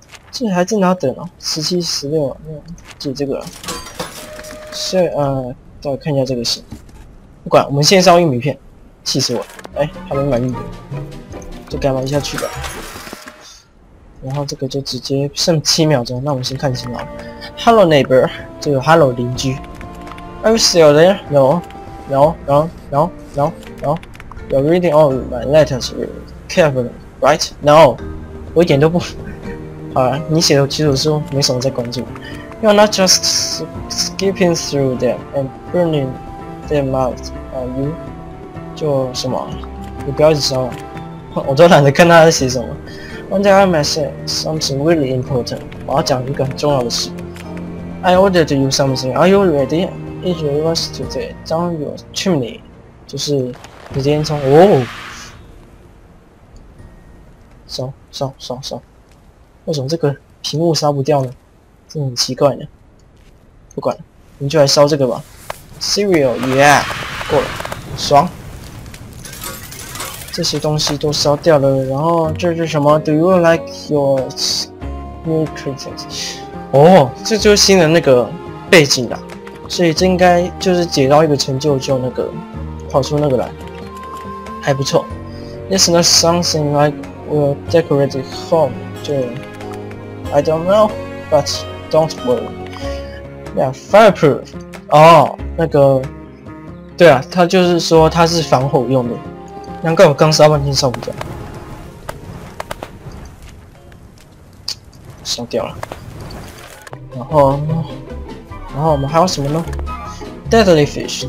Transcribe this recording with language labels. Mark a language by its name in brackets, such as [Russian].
[Chinese] 这还真的要等哦，17、16啊，那解这个了。所以再看一下这个是，不管，我们先烧玉米片，气死我了！还没买玉米，就该玩下去吧。然后这个就直接剩7秒钟，那我们先看情况。 [English] Hello neighbor， [Chinese] 就有 Hello 邻居。 [English] Are you still there？ [Chinese] 有，有，有，有，有，有。 [English] You're reading all my letters carefully。 Right? No， [Chinese] 我一点都不。好了，你写的基础书没什么在关注。 [English] You're not just skipping through them and burning them out, are you？ [Chinese] 就什么？你不要一直烧，我都懒得看他在写什么。 [English] One day I might say something really important。 [Chinese] 我要讲一个很重要的事。 [English] I ordered you something. Are you ready? It was today. Down your chimney， [Chinese] 就是直接烟囱哦。烧！为什么这个屏幕烧不掉呢？真的很奇怪呢。不管了，我们就来烧这个吧。 [English] Cereal， yeah， [Chinese] 过了，爽。这些东西都烧掉了，然后这是什么 ？ [English] Do you like your new creatures？ [Chinese] 哦，这就是新的那个背景啦。所以这应该就是解到一个成就就那个跑出那个来，还不错。 [English] It's not something like。 We'll decorate it home. 就 I don't know, but don't worry. Yeah, fireproof. [Chinese] 哦，那个，对啊，他就是说他是防火用的。难怪我刚烧半天烧不掉，烧掉了。然后我们还有什么呢 ？ [English] Deadly fish.